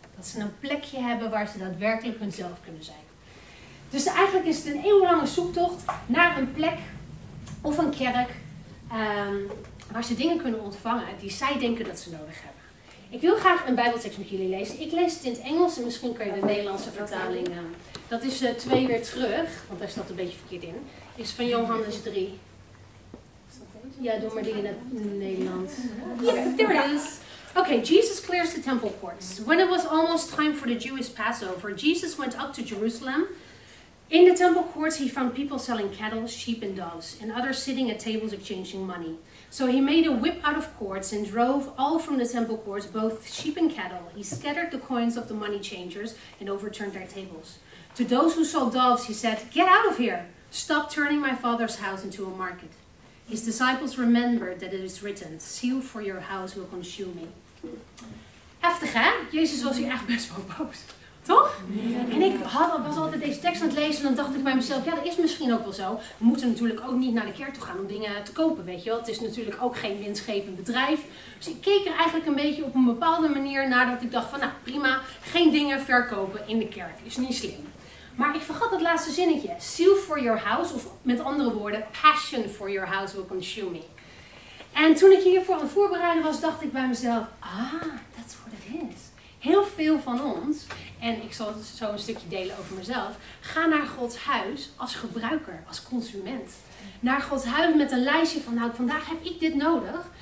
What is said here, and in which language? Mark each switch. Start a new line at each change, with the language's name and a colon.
Dutch: Dat ze een plekje hebben waar ze daadwerkelijk hunzelf kunnen zijn. Dus eigenlijk is het een eeuwenlange zoektocht naar een plek of een kerk waar ze dingen kunnen ontvangen die zij denken dat ze nodig hebben. Ik wil graag een bijbeltekst met jullie lezen. Ik lees het in het Engels en misschien kan je de Nederlandse vertaling aan. Dat is 2 weer terug, want daar staat een beetje verkeerd in. Is van Johannes 3. Ja, doe maar die in het Nederlands.
English: Yeah, there it is. Okay, Jesus clears the temple courts. When it was almost time for the Jewish Passover, Jesus went up to Jerusalem. In the temple courts, he found people selling cattle, sheep, and doves, and others sitting at tables exchanging money. So he made a whip out of cords and drove all from the temple courts, both sheep and cattle. He scattered the coins of the money changers and overturned their tables. To those who sold doves, he said, "Get out of here! Stop turning my father's house into a market." His disciples remembered that it is written, "Zeal for your house will consume me."
Dutch: Heftig, hè? Jezus was hier echt best wel boos. Toch? En ik was altijd deze tekst aan het lezen en dan dacht ik bij mezelf, ja, dat is misschien ook wel zo. We moeten natuurlijk ook niet naar de kerk toe gaan om dingen te kopen, weet je wel. Het is natuurlijk ook geen winstgevend bedrijf. Dus ik keek er eigenlijk een beetje op een bepaalde manier naar dat ik dacht van, nou prima, geen dingen verkopen in de kerk. Is niet slim. Maar ik vergat dat laatste zinnetje.
English: Zeal for your house,
Dutch: of met andere woorden,
English: passion for your house will consume me.
Dutch: En toen ik hiervoor aan het voorbereiden was, dacht ik bij mezelf, ah,
English: that's what it is.
Dutch: Heel veel van ons, en ik zal zo een stukje delen over mezelf, ga naar Gods huis als gebruiker, als consument. Naar Gods huis met een lijstje van, nou, vandaag heb ik dit nodig.